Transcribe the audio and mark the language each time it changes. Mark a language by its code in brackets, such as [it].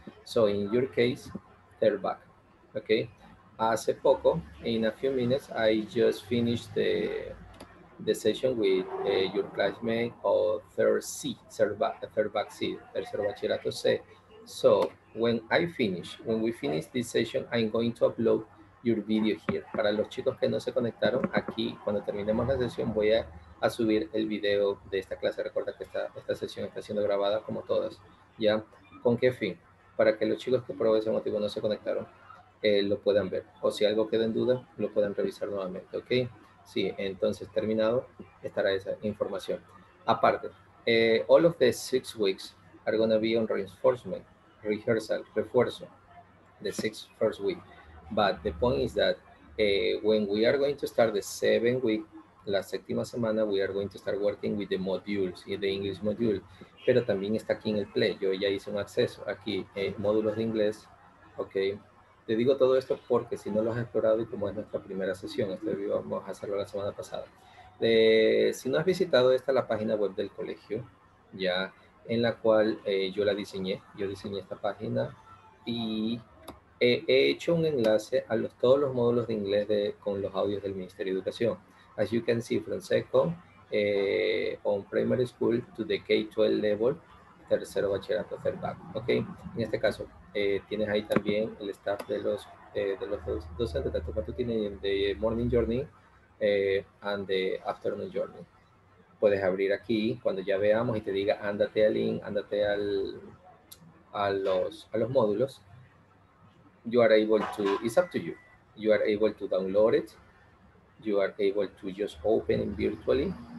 [en] So in your case, they're back, okay? [es] Hace poco, [en] in a few minutes, I just finished the session with your classmate of tercer bachillerato C. So when we finish this session, I'm going to upload your video here. [es] Para los chicos que no se conectaron, aquí cuando terminemos la sesión voy a subir el video de esta clase. Recuerda que esta sesión está siendo grabada como todas, ¿ya? ¿Con qué fin? Para que los chicos que por ese motivo no se conectaron lo puedan ver. O si algo queda en duda, lo puedan revisar nuevamente, ¿ok? Sí, entonces terminado estará esa información. Aparte, [en] all of the 6 weeks are going to be on reinforcement. rehearsal, refuerzo, the sixth first week. But the point is that when we are going to start the 7 week, [es] la séptima semana, [en] we are going to start working with the modules, the English module. [es] Pero también está aquí en el play. Yo ya hice un acceso aquí, módulos de inglés. Ok. Te digo todo esto porque si no lo has explorado y como es nuestra primera sesión, esto vamos a hacerlo la semana pasada. Si no has visitado, esta es la página web del colegio, ya en la cual yo la diseñé. Yo diseñé esta página y he hecho un enlace a todos los módulos de inglés con los audios del Ministerio de Educación. [en] As you can see, from second on primary school to the K-12 level, tercero bachillerato, third back. [es] Ok, en este caso, tienes ahí también el staff de los docentes, tanto cuanto tienen de [en] morning journey and the afternoon journey. [es] Puedes abrir aquí cuando ya veamos y te diga, ándate al link, ándate a los módulos. [en] You are able to, it's up to you. You are able to download it. You are able to just open it virtually.